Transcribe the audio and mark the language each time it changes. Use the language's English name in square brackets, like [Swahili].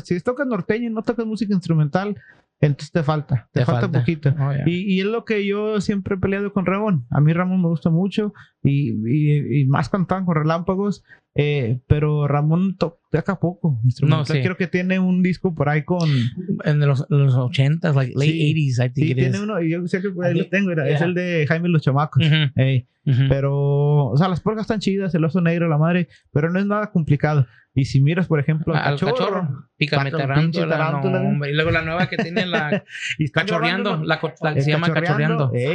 [Spanish] Si tocas norteño y no tocas música instrumental, entonces te falta poquito. [English] Oh, yeah. [Spanish] Y es lo que yo siempre he peleado con Ramón. A mí Ramón me gusta mucho. Y más cantaban con Relámpagos. Pero Ramón toca poco instrumental. No, sí. Creo que tiene un disco por ahí con... En los [English] 80s, like late 80s, I think it is. [Spanish] Sí, tiene uno, y yo sé que por ahí lo tengo, es el de Jaime y los Chamacos. Uh-huh. Uh-huh. Pero, o sea, las porcas están chidas, el oso negro, la madre, pero no es nada complicado. Y si miras, por ejemplo, al cachorro. Pícame tarántula, tarántula. No, hombre. Y luego la nueva que tiene la... y cachorreando, se llama Cachorreando.